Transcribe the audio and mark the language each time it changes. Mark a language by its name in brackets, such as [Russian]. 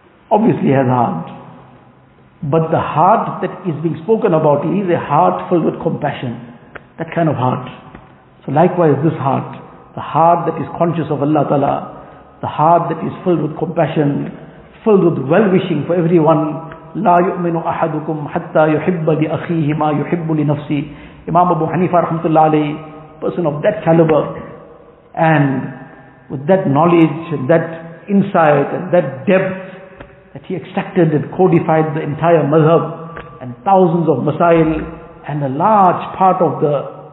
[English] Obviously he has a heart. But the heart that is being spoken about is a heart filled with compassion. That kind of heart. So likewise this heart, the heart that is conscious of Allah Ta'ala, the heart that is filled with compassion, filled with well-wishing for everyone. [Arabic] لا يؤمن أحدكم حتى يحب لأخيه ما يحب لنفسه. [English] Imam Abu Hanifa rahmatullah alayhi, person of that caliber and with that knowledge and that insight and that depth that he extracted and codified the entire mazhab and thousands of masail and a large part of the